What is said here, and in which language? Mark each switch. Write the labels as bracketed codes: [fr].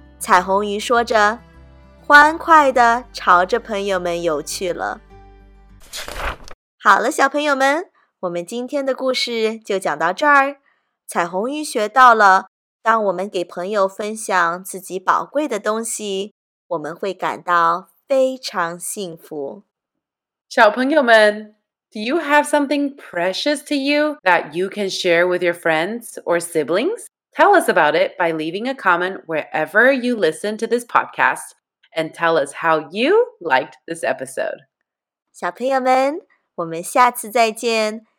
[zh] 彩虹鱼说着，欢快地朝着朋友们游去了。好了，小朋友们，我们今天的故事就讲到这儿。彩虹鱼学到了，当我们给朋友分享自己宝贵的东西，我们会感到非常幸福。小朋友们， [en] Do you have something precious to you that you can share with your friends or siblings? Tell us about it by leaving a comment wherever you listen to this podcast and tell us how you liked this episode. [zh] 小朋友们，我们下次再见。